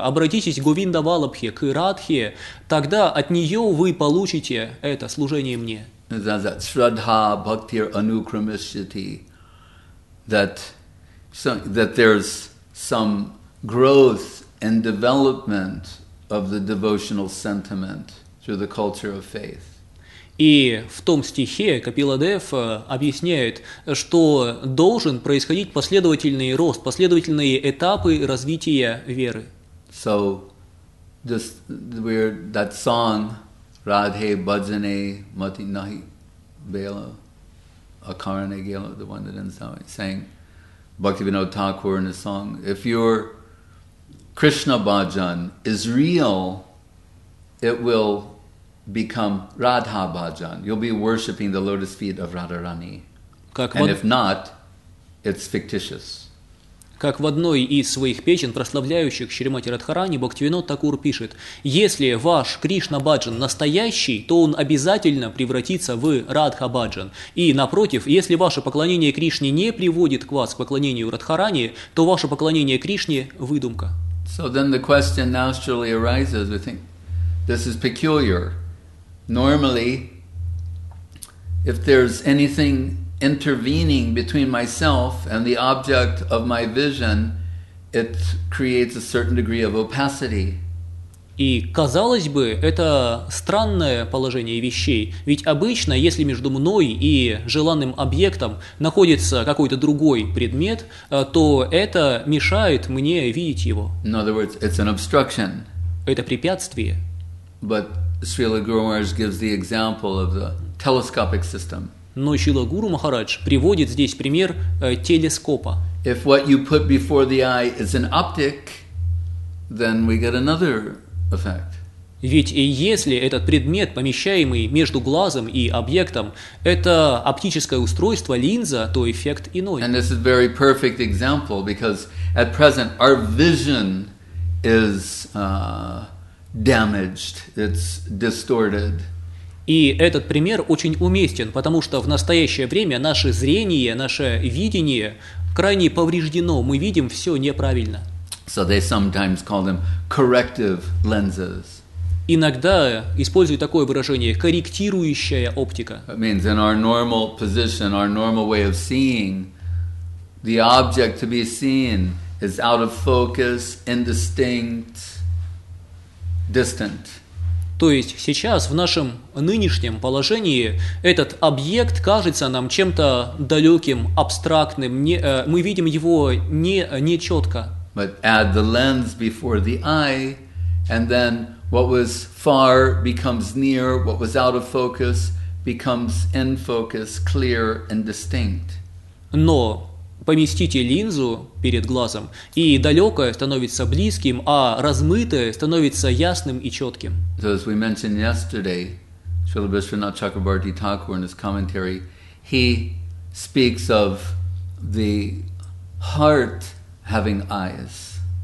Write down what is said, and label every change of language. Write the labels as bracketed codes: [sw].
[ru] Обратитесь к Говинда Валабхе, к Радхе. Тогда от нее вы получите это служение мне. [sa] Shraddha Bhaktir Anukramishyati. [en] That there's some growth and development of the devotional sentiment through the culture of faith. [ru] И в том стихе Капиладев объясняет, что должен происходить последовательный рост, последовательные этапы развития веры. [en] So just that song, [bn] Radhe Bhajane Mati Nahi Bela Akarane Gela, [en] the one that ends up saying Bhaktivinoda Thakur in his song, if your Krishna bhajan is real, it will become Radha bhajan. You'll be worshipping the lotus feet of Radharani. And if not, it's fictitious. [ru] Как в одной из своих песен, прославляющих Шримати Радхарани, Бхактивинод Такур пишет: «Если ваш Кришна-бхаджан настоящий, то он обязательно превратится в Радха-бхаджан. И напротив, если ваше поклонение Кришне не приводит к вас к поклонению Радхарани, то ваше поклонение Кришне – выдумка». [en] So then the question naturally arises, we think, this is peculiar. Normally, if there's anything intervening between myself and the object of my vision, it creates a certain degree of opacity. [ru] И, казалось бы, это странное положение вещей, ведь обычно, если между мной и желанным объектом находится какой-то другой предмет, то это мешает мне видеть его. [en] In other words, it's an obstruction. [ru] Это препятствие. [en] But Srila Guru Maharaj gives the example of the telescopic system. [ru] Но Шрила Гуру Махарадж приводит здесь пример телескопа. [en] If what you put before the eye is an optic, then we get another effect. [ru] Ведь если этот предмет, помещаемый между глазом и объектом, это оптическое устройство, линза, то эффект иной. [en] And this is a very perfect example, because at present our vision is damaged, it's distorted. [ru] И этот пример очень уместен, потому что в настоящее время наше зрение, наше видение крайне повреждено, мы видим все неправильно. [en] So they sometimes call them corrective lenses. [ru] Иногда используют такое выражение – корректирующая оптика. [en] That means in our normal position, our normal way of seeing, the object to be seen is out of focus, indistinct, distant. [ru] То есть сейчас, в нашем нынешнем положении, этот объект кажется нам чем-то далеким, абстрактным, мы видим его не четко. [en] But add the lens before the eye, and then what was far becomes near, what was out of focus becomes in focus, clear and distinct. [ru] Но поместите линзу перед глазом, и далекое становится близким, а размытое становится ясным и четким. [en] So as we mentioned yesterday, Srila Bishwanath Chakrabarti Thakur in his commentary, he speaks of the heart having eyes.